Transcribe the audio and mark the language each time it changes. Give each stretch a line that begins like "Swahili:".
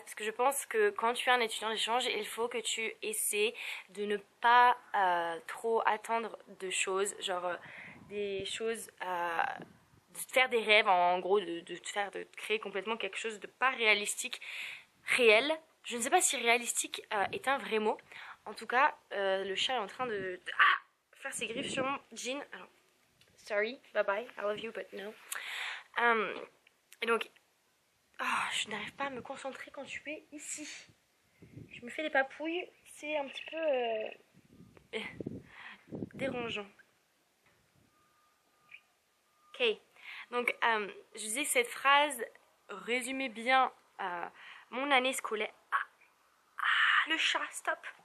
French: Parce que je pense que quand tu es un étudiant d'échange, il faut que tu essaies de ne pas trop attendre de choses, genre des choses, de faire des rêves en gros, de créer complètement quelque chose de pas réalistique, réel. Je ne sais pas si réalistique est un vrai mot. En tout cas, le chat est en train de faire ses griffes sur mon jean. Alors,
English: sorry, bye bye, I love you, but no.
French: Oh, je n'arrive pas à me concentrer quand tu es ici. Je me fais des papouilles, c'est un petit peu dérangeant. Ok, donc je disais que cette phrase résumait bien mon année scolaire. Le chat, stop.